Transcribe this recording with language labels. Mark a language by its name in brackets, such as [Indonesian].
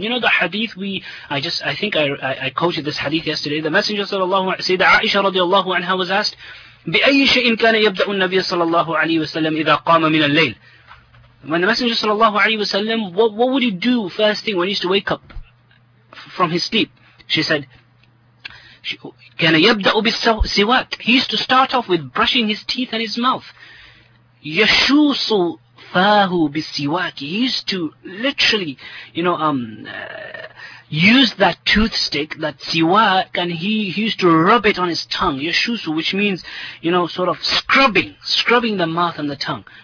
[English] You know the hadith, I quoted this hadith yesterday. The Messenger, sallallahu alayhi wa sallam, Sayyidah Aisha radiallahu anha, was asked, [Arabic] بِأَيِّ شَيْءٍ كَانَ يَبْدَأُ النَّبِيَ sallallahu alayhi wa sallam إِذَا قَامَ مِنَ اللَّيْلِ. [English] When the Messenger sallallahu alayhi wa sallam, what would he do first thing when he used to wake up from his sleep? She said, [Arabic] كَانَ يَبْدَأُ بِالسِّوَاكِ. [English] He used to start off with brushing his teeth and his mouth. [Arabic] يَشُوصُ فَاهُ بِالسِّوَاكِ. [English] He used to literally, you know, use that toothstick, that siwak, and he used to rub it on his tongue, yashusu, which means, you know, sort of scrubbing the mouth and the tongue.